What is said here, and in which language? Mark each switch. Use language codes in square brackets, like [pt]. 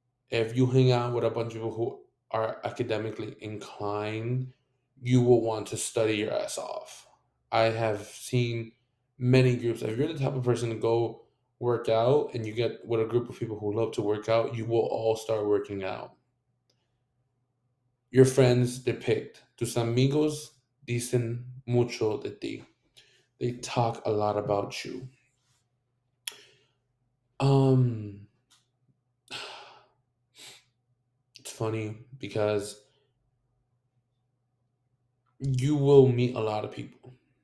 [en] If you hang out with a bunch of people who are academically inclined, you will want to study your ass off. I have seen many groups. If you're the type of person to go work out and you get with a group of people who love to work out, you will all start working out. Your friends depict [es] tus amigos dicen mucho de ti. [en] They talk a lot about you. Funny because you will meet a lot of people.